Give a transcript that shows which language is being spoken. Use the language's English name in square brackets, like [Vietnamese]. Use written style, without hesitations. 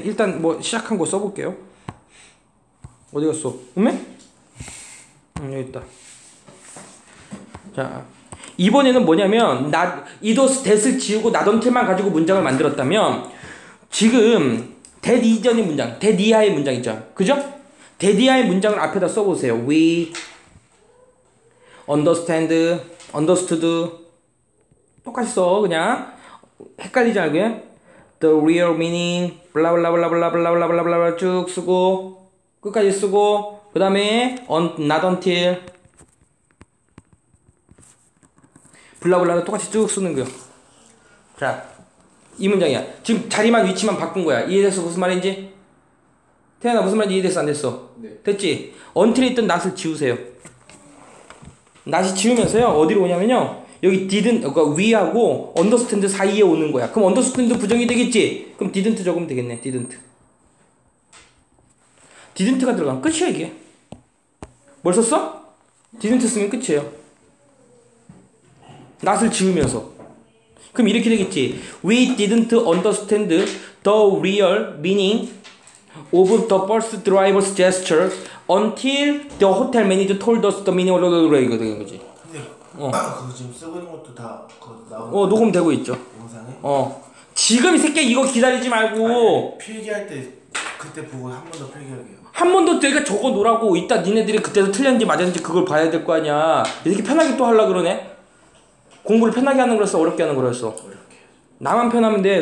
[Korean] 일단 뭐 시작한 거 써볼게요. 어디 갔어? 음에? 여기 있다. 자, 이번에는 뭐냐면, 나, 이도스 데스 지우고 나던 틀만 가지고 문장을 만들었다면, 지금, 데드 이전의 문장, 데드 이하의 문장 있죠? 그죠? 데드 이하의 문장을 앞에다 써보세요. [English] We understand, understood. [Korean] 똑같이 써, 그냥. 헷갈리지 않고요. [English] The real meaning, [Korean] 블라블라블라블라블라블라블라블라 쭉 쓰고, 끝까지 쓰고, 그 다음에, [English] not until. [Korean] 블라블라 똑같이 쭉 쓰는 거요. 자, 이 문장이야. 지금 자리만 위치만 바꾼 거야. 이해됐어? 무슨 말인지? 태연아, 무슨 말인지 이해됐어? 안 됐어? 네. 됐지? until 있던 not을 지우세요. not이 지우면서요, 어디로 오냐면요. 여기 didn't, 그러니까 we하고 understand 사이에 오는 거야. 그럼 understand 부정이 되겠지? 그럼 didn't 적으면 되겠네, didn't. didn't가 들어가면 끝이야, 이게. 뭘 썼어? didn't 쓰면 끝이에요. not을 지우면서. 그럼 이렇게 되겠지. [English] We didn't understand the real meaning of the bus driver's gesture until the hotel manager told us the meaning of the word. [Korean] 이거 되는 거지. 그거 지금 쓰고 있는 것도 다 나오는 녹음 되고 있죠. 영상에? 지금 이 새끼야, 이거 기다리지 말고. 아니, 필기할 때 그때 보고 한번더 필기할게요. 한번더 내가 적어 놓으라고. 이따 니네들이 그때도 틀렸는지 맞았는지 그걸 봐야 될거 아니야. 이렇게 편하게 또 하려고 그러네? 공부를 편하게 하는 거였어? 어렵게 하는 거였어? 나만 편하면 돼.